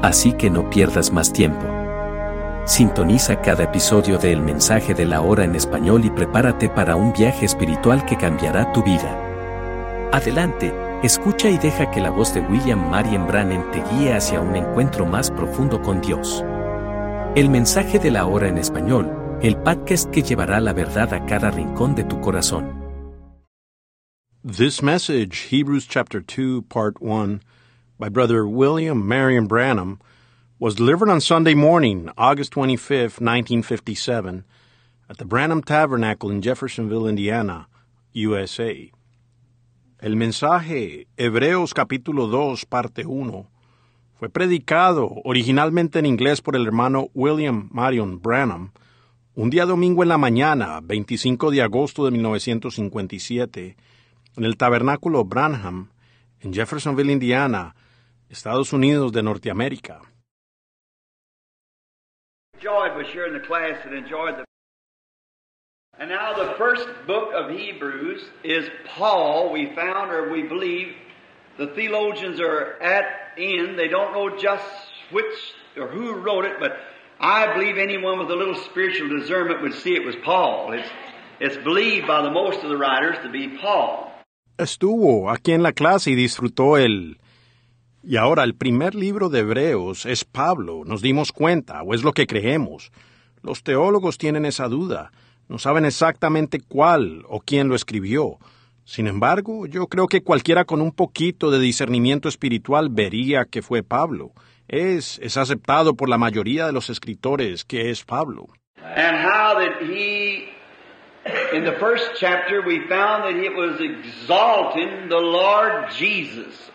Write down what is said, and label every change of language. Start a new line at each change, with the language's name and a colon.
Spanish: Así que no pierdas más tiempo. Sintoniza cada episodio de El Mensaje de la Hora en Español y prepárate para un viaje espiritual que cambiará tu vida. Adelante, escucha y deja que la voz de William Marion Branham te guíe hacia un encuentro más profundo con Dios. El Mensaje de la Hora en Español, el podcast que llevará la verdad a cada rincón de tu corazón.
English: This message, Hebrews chapter 2, part 1, by Brother William Marion Branham, was delivered on Sunday morning, August 25, 1957, at the Branham Tabernacle in Jeffersonville, Indiana, USA.
Spanish: El mensaje, Hebreos capítulo 2, parte 1, fue predicado originalmente en inglés por el hermano William Marion Branham, un día domingo en la mañana, 25 de agosto de 1957, en el Tabernáculo Branham, en Jeffersonville, Indiana, Estados Unidos de Norteamérica.
English: Enjoyed was here in the class and enjoyed the. And now the first book of Hebrews is Paul. We found, or we believe, the theologians are at end. They don't know just which or who wrote it, but I believe anyone with a little spiritual discernment would see it was Paul. It's believed by the most of the writers to be Paul.
Spanish: Estuvo aquí en la clase y disfrutó el. Y ahora, el primer libro de Hebreos es Pablo, nos dimos cuenta, o es lo que creemos. Los teólogos tienen esa duda, no saben exactamente cuál o quién lo escribió. Sin embargo, yo creo que cualquiera con un poquito de discernimiento espiritual vería que fue Pablo. Es aceptado por la mayoría de los escritores que es Pablo.
English: And how that he, in the first chapter, we found that he was exalting the Lord Jesus.